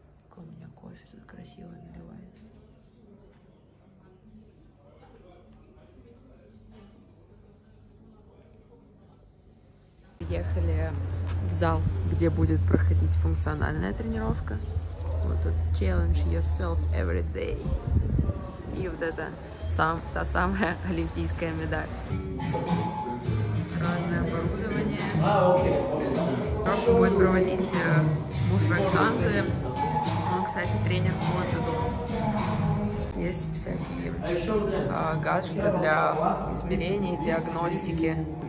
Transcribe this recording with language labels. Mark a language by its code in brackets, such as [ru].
[ru] Как у меня кофе тут красиво наливается. Приехали в зал, где будет проходить функциональная тренировка. Вот тут [en] challenge yourself every day. [ru] И вот это... та самая олимпийская медаль. Разное оборудование. Пробку будет проводить муж Роксанты. Он, кстати, тренер по дзюдо. Есть всякие гаджеты для измерений, диагностики.